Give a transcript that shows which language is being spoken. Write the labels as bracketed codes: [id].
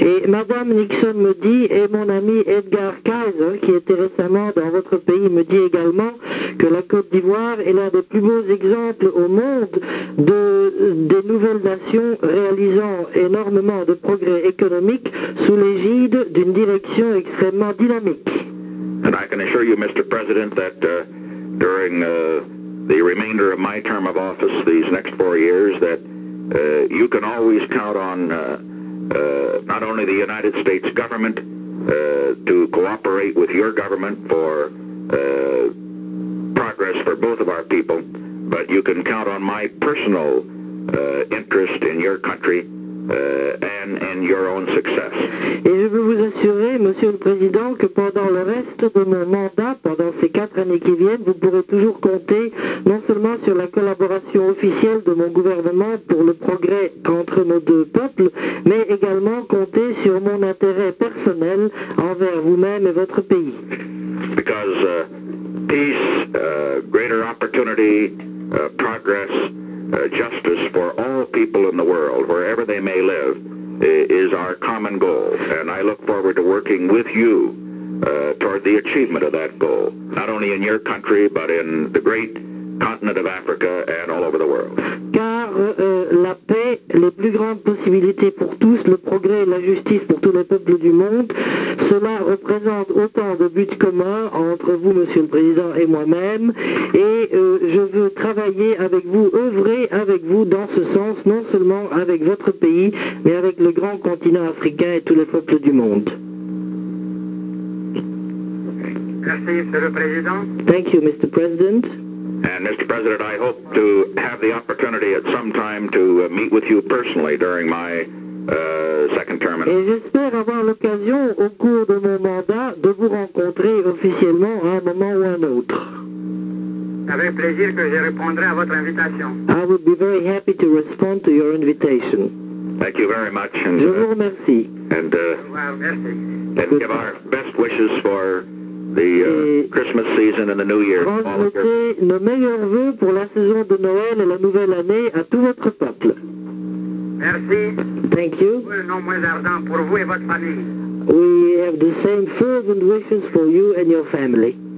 [fr] Et Madame Nixon me dit, et mon ami Edgar Kaiser, qui était récemment dans votre pays, me dit également que la Côte d'Ivoire est l'un des plus beaux exemples au monde de, des nouvelles nations réalisant énormément de progrès économiques sous l'égide d'une direction extrêmement dynamique. [en] And I can assure you, Mr. President, that during the remainder of my term of office, these next 4 years, that you can always count on not only the United States government to cooperate with your government for progress for both of our people, but you can count on my personal interest in your country and in your own success. [fr] Et je veux vous assurer, Monsieur le Président, que pendant le reste de mon mandat, pendant ces 4 années qui viennent, vous pourrez toujours compter non seulement sur la collaboration officielle de mon gouvernement pour le progrès entre nos deux peuples, mais également compter sur mon intérêt personnel envers vous-même et votre pays. [en] Because peace, greater opportunity, progress, justice for all people in the world, wherever they may live, is our common goal, and I look forward to working with you toward the achievement of that goal, not only in your country, but in the great continent of Africa and all over the world. [fr] Car la paix, les plus grandes possibilités pour tous, le progrès et la justice pour tous les peuples du monde, cela représente autant de buts communs entre vous, Monsieur le Président, et moi-même, et je veux travailler avec vous, œuvrer avec vous dans ce sens, non seulement avec votre pays, mais avec le grand continent africain et tous les peuples du monde. Merci, Monsieur le Président. [en] Thank you, Mr. President. And Mr. President, I hope to have the opportunity at some time to meet with you personally during my second term. [fr] Et j'espère avoir l'occasion au cours de mon mandat de vous rencontrer officiellement à un moment ou un autre. Avec plaisir que je répondrai à votre invitation. [en] I would be very happy to respond to your invitation. Thank you very much. [fr] And, je vous remercie. [en] And [fr] merci. [en] And give our best wishes for the Christmas season and the New Year. [fr] Transmettez nos meilleurs vœux pour la saison de Noël et la nouvelle année à tout votre peuple. Merci. [en] Thank you. [fr] Non moins ardent pour vous et votre famille. [en] We have the same fervent wishes for you and your family.